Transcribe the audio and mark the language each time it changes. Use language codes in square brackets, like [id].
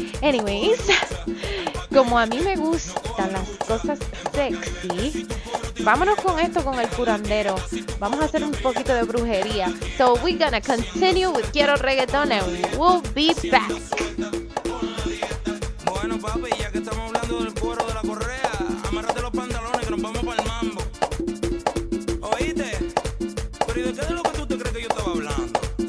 [es] Anyways, como a mí me gustan las cosas sexy, vámonos con esto, con el curandero. Vamos a hacer un poquito de brujería. [en] So we're gonna continue with Quiero Reggaeton and we'll be back. [es] Bueno, papi, ya que estamos hablando del cuero de la correa, amárrate los pantalones que nos vamos para el mambo. ¿Oíste? ¿Pero y de qué es lo que tú te crees que yo estaba hablando?